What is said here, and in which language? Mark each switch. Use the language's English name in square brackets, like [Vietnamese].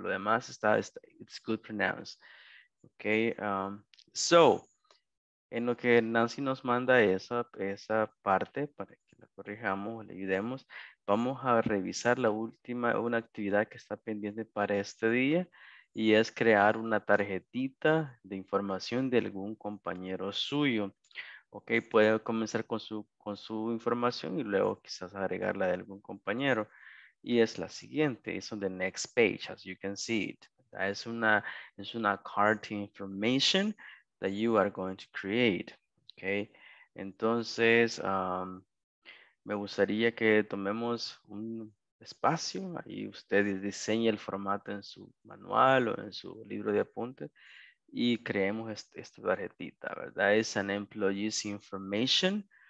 [Spanish] Lo demás está [English] it's good pronounced. [Spanish] Okay, so, en lo que Nancy nos manda esa parte para que la corrijamos, le ayudemos, vamos a revisar la última, una actividad que está pendiente para este día, y es crear una tarjetita de información de algún compañero suyo. Ok, puede comenzar con su información y luego quizás agregar la de algún compañero. Y es la siguiente, es [English] on the next page, as you can see it. [Spanish] Es una [English] card to information that you are going to create. [Spanish] Ok, entonces me gustaría que tomemos un espacio, ahí usted diseñe el formato en su manual o en su libro de apuntes y creemos esta tarjetita, ¿verdad? Es [English] an employee's information.